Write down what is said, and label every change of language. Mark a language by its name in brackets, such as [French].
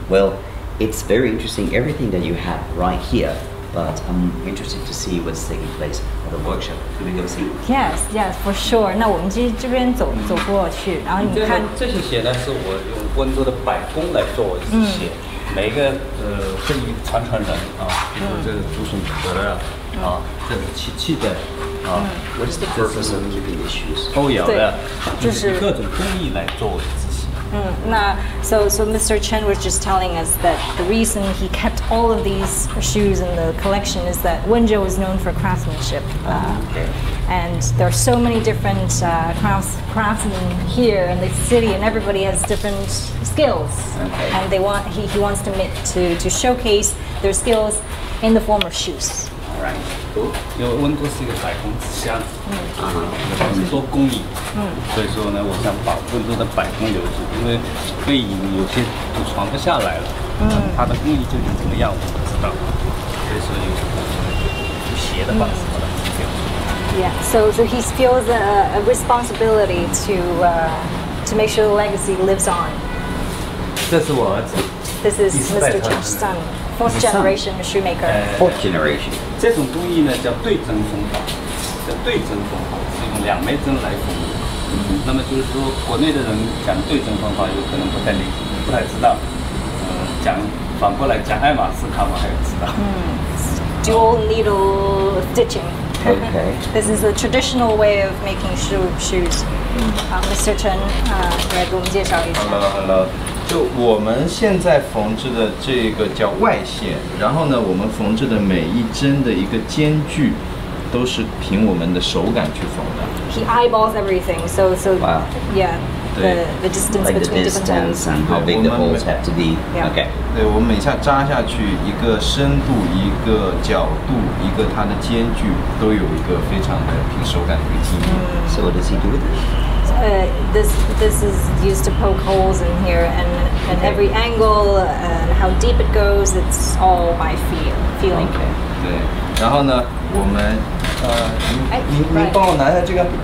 [English] Well, it's very interesting everything that you have right here. But I'm interested to see what's taking place at the workshop. Can we go see? Yes. Yes. For sure. [Chinese] 那我们就这边走走过去，然后你看这些鞋呢，是我用温州的百工来做一只鞋，每一个是一传承人啊，比如这个竹笋壳的啊，这个漆器的啊。 [English] What's the purpose of keeping the shoes? [Chinese] 欧窑的，就是各种工艺来做一只鞋。 [English] So Mr. Chen was just telling us that the reason he kept all of these shoes in the collection is that Wenzhou is known for craftsmanship. And there are so many different craftsmen here in the city, and everybody has different skills. Okay. And he wants to meet to showcase their skills in the form of shoes. All right. Cool. [Chinese] 因为温州是一个百工之乡，很多工艺，所以说呢，我想把温州的百工留住，因为被有些都传不下来了，它的工艺究竟怎么样，我不知道，所以说有些鞋的吧，什么的。 [English] Yeah, so he feels a responsibility to make sure the legacy lives on. [Chinese] 这是我儿子。 [English] This is Mr. Chen's son, fourth generation shoemaker. Fourth generation. [Chinese] 这种工艺呢叫对针缝法，叫对针缝法，是用两枚针来缝的。那么就是说，国内的人讲对针缝法，有可能不太知道。讲反过来讲爱马仕，他们还知道。 [English] Dual needle stitching. Okay. This is a traditional way of making shoes. [Chinese] Mr. Chen, 来给我们介绍一下。 [English] Hello. [Chinese] 就我们现在缝制的这个叫外线，然后呢，我们缝制的每一针的一个间距，都是凭我们的手感去缝的。 [English] He eyeballs everything. So. Wow. Yeah. The distance between the distance and how big the holes have to be. Okay. [Chinese] 对，我们每下扎下去一个深度、一个角度、一个它的间距，都有一个非常的凭手感的一个记忆。 [English] So what does he do with it? This is used to poke holes in here, and every angle and how deep it goes, it's all by feeling. Okay. [Chinese] 对，然后呢，我们您帮我拿一下这个。